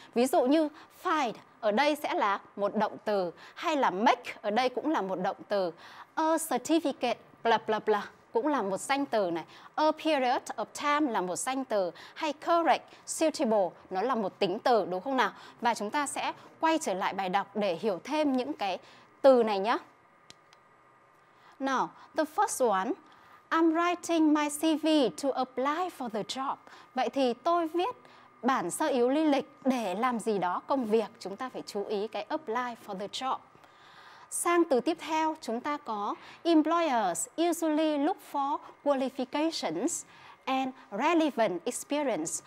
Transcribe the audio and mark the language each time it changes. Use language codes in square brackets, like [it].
[vi] Ví dụ như find ở đây sẽ là một động từ, hay là make ở đây cũng là một động từ. [en] A certificate, blah blah blah, [vi] cũng là một danh từ này. [en] A period of time [vi] là một danh từ. Hay correct, suitable, nó là một tính từ, đúng không nào? Và chúng ta sẽ quay trở lại bài đọc để hiểu thêm những cái từ này nhé. [en] Now, the first one, I'm writing my CV to apply for the job. [vi] Vậy thì tôi viết bản sơ yếu lý lịch để làm gì đó công việc. Chúng ta phải chú ý cái [en] apply for the job. [vi] Sang từ tiếp theo, chúng ta có [en] employers usually look for qualifications and relevant experience.